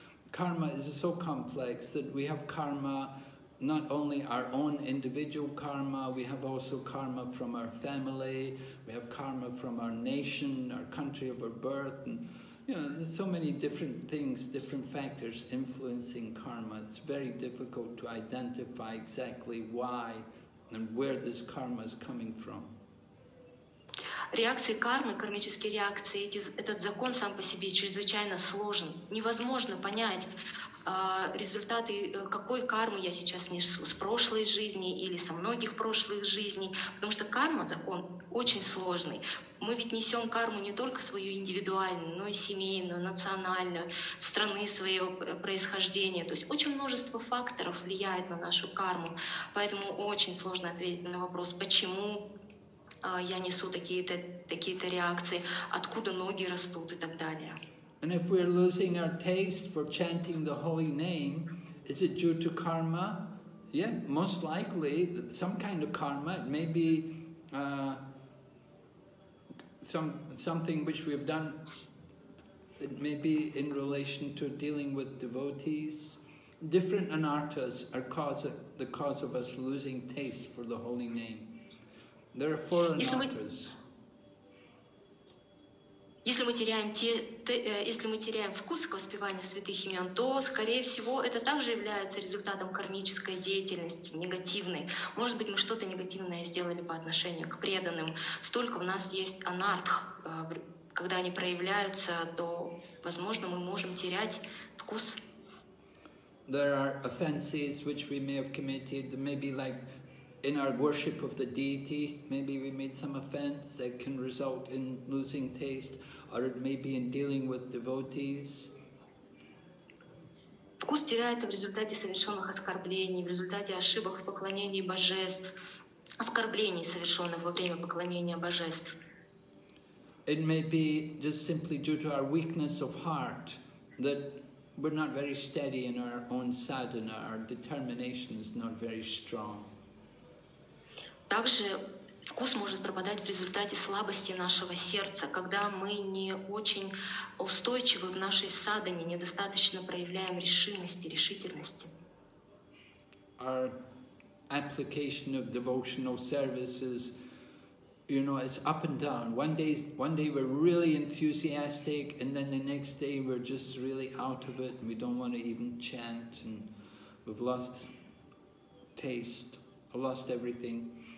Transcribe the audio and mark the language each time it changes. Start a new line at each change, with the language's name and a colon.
English: Karma is so complex that we have karma, not only our own individual karma, we have also karma from our family, we have karma from our nation, our country of our birth, and you know, there's so many different things, different factors influencing karma. It's very difficult to identify exactly why and where this karma is coming from.
Russian: Реакции кармы, кармические реакции, этот закон сам по себе чрезвычайно сложен. Невозможно понять, результаты, какой кармы я сейчас несу с прошлой жизни или со многих прошлых жизней, потому что карма, закон, очень сложный. Мы ведь несем карму не только свою индивидуальную, но и семейную, национальную, страны своего происхождения. То есть очень множество факторов влияет на нашу карму. Поэтому очень сложно ответить на вопрос, почему я несу такие-то реакции, откуда ноги растут и так далее.
English: And if we're losing our taste for chanting the holy name, is it due to karma? Yeah, most likely some kind of karma. It may be something which we've done. It may be in relation to dealing with devotees. Different anarthas are the cause of us losing taste for the holy name. There are four anarthas.
Russian: Если мы теряем вкус к воспеванию святых имен, то, скорее всего, это также является результатом кармической деятельности, негативной. Может быть, мы что-то негативное сделали по отношению к преданным. Столько в нас есть анартх, когда они проявляются, то, возможно, мы можем терять вкус.
English: There are offenses which we may have committed, maybe like in our worship of the deity, maybe we made some offense that can result in losing taste, or it may be in dealing with devotees.
Russian: Вкус теряется в результате совершенных оскорблений, в результате ошибок в поклонении божеств, оскорблений, совершенных во время поклонения божеств.
English: It may be just simply due to our weakness of heart, that we're not very steady in our own sadhana, our determination is not very strong.
Russian: Также вкус может пропадать в результате слабости нашего сердца, когда мы не очень устойчивы в нашей садхане, недостаточно проявляем решимости, решительности.
English: Our application of devotional services, you know, it's up and down. One day we're really enthusiastic, and then the next day we're just really out of it, and we don't want to even chant, and we've lost taste, lost everything.